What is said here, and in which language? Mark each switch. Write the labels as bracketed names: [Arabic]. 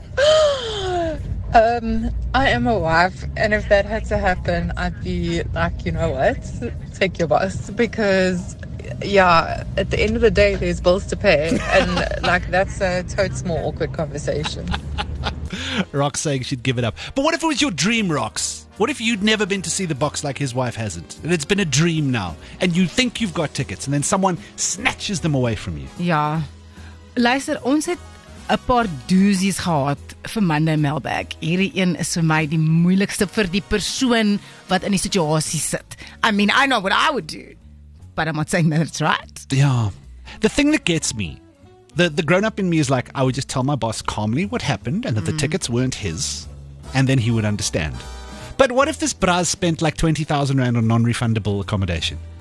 [English] I am a wife, and if that had to happen, I'd be like, you know what, take your boss, because, yeah, at the end of the day, there's bills to pay, and, like, that's a totes more awkward conversation. Rox saying she'd give it up. But what if it was your dream, Rox? What if you'd never been to see the box like his wife hasn't, and it's been a dream now, and you think you've got tickets, and then someone snatches them away from you? Yeah. [Afrikaans] Luister, ons het 'n paar doosies gehad vir Monday Mailbag. Hierdie een is vir my die moeilikste vir die persoon wat in die situasie sit. [English] I mean, I know what I would do, but I'm not saying that it's right. Yeah. The thing that gets me, the grown-up in me is like, I would just tell my boss calmly what happened and that the tickets weren't his, and then he would understand. But what if this bras spent like 20,000 rand on non-refundable accommodation?